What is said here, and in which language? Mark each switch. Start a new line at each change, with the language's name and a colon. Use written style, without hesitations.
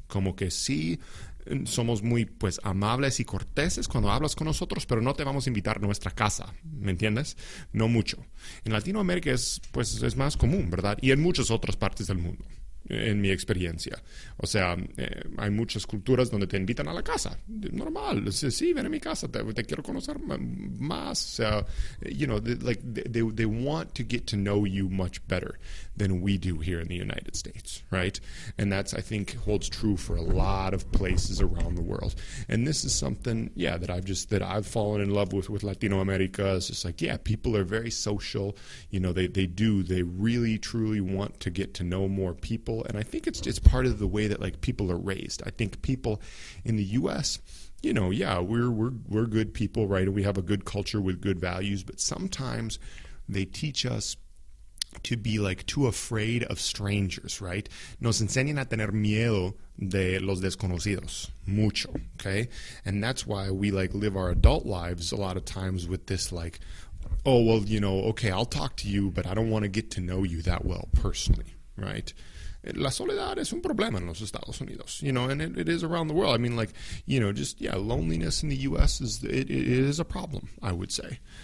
Spanish: Como que sí, somos muy pues amables y corteses cuando hablas con nosotros, pero no te vamos a invitar a nuestra casa, ¿me entiendes? No mucho. En Latinoamérica es, pues, es más común, ¿verdad? Y en muchas otras partes del mundo, en mi experiencia. O sea, hay muchas culturas donde te invitan a la casa. Normal. Sí, ven a mi casa. Te quiero conocer más.
English: You know, they want to get to know you much better than we do here in the United States, right? And that's, I think, holds true for a lot of places around the world. And this is something, yeah, that I've fallen in love with Latino America. It's just like, yeah, people are very social. You know, they do. They really, truly want to get to know more people. And I think it's part of the way that like people are raised. I think people in the U.S., you know, yeah, we're good people, right? We have a good culture with good values. But sometimes they teach us to be like too afraid of strangers, right?
Spanish: Nos enseñan a tener miedo de los desconocidos mucho, okay?
English: And that's why we like live our adult lives a lot of times with this like, oh, well, you know, okay, I'll talk to you, but I don't want to get to know you that well personally, right?
Spanish: La soledad es un problema en los Estados Unidos,
English: you know, and it is around the world. I mean, like, you know, just, yeah, loneliness in the U.S. is it is a problem, I would say.